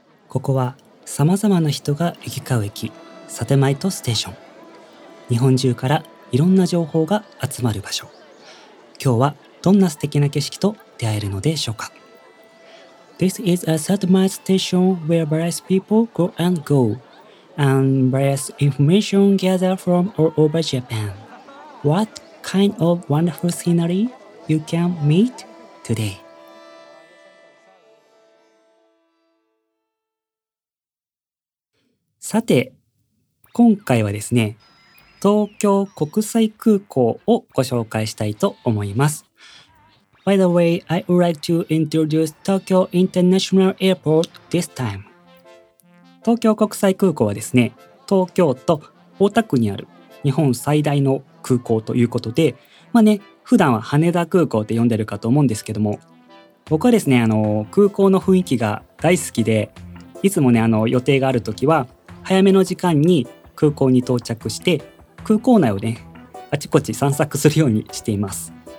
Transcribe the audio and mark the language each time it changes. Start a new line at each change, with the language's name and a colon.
Japanese: ここは様々な人が行き交う駅、サテマイトステーション。日本中からいろんな情報が集まる場所。今日はどんな素敵な景色と出会えるのでしょうか。
English: This is a satellite station where various people go and go, and various information gather from all over Japan. What kind of wonderful scenery you can meet today?
Japanese: さて、今回はですね、東京国際空港をご紹介したいと思います。
English: By the way, I would like to introduce Tokyo International Airport this time.
Japanese: 東京国際空港はですね、東京都大田区にある日本最大の空港ということで、まあね、普段は羽田空港って呼んでるかと思うんですけども、僕はですね、空港の雰囲気が大好きで、いつもね、予定があるときは早めの時間に空港に到着して、空港内をね、あちこち散策するようにしています。